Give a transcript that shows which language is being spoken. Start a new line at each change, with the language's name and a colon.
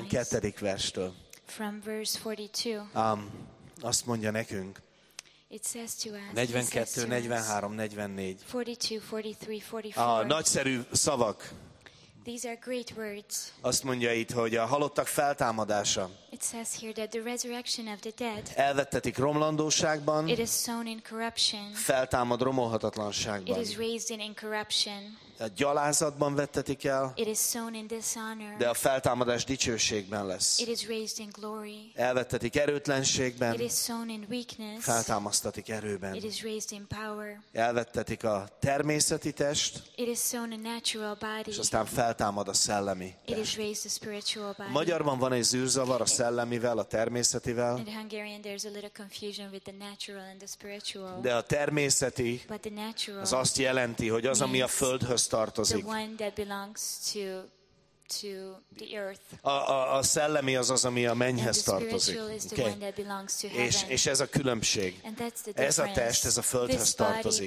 Hungarian: 42. verstől.
English: From verse 42.
Hungarian: Azt mondja nekünk.
English: It says to us.
Hungarian: 42, 43, 44.
English: 42, 43, 44.
Hungarian: Nagyszerű szavak.
English: These are great words.
Hungarian: Azt mondja itt, hogy a halottak feltámadása.
English: It says here that the resurrection of the dead.
Hungarian: Elvettetik romlandóságban.
English: It is sown in corruption.
Hungarian: Feltámad romolhatatlanságban.
English: It is raised in incorruption.
Hungarian: gyalázatban vettetik el,
English: it is sown in dishonor,
Hungarian: de a feltámadás dicsőségben lesz.
English: It is raised in glory,
Hungarian: elvettetik erőtlenségben,
English: it is sown in weakness,
Hungarian: feltámasztatik erőben.
English: It is raised in power,
Hungarian: elvettetik a természeti test,
English: it is sown a natural body,
Hungarian: és aztán feltámad a szellemi test.
English: It is raised a spiritual body.
Hungarian: Magyarban van egy zűrzavar a szellemivel, a természetivel,
English: in Hungarian there's a little confusion with the natural and the spiritual,
Hungarian: de a természeti,
English: but the natural,
Hungarian: az azt jelenti, hogy az, ami a földhöz tartozik.
English: The one that belongs to the earth.
Hungarian: A szellemi az az, ami a mennyhez tartozik.
English: Okay. The one that belongs to heaven.
Hungarian: És ez a különbség.
English: And that's the difference.
Hungarian: Ez a test, ez a földhöz
English: this
Hungarian: tartozik.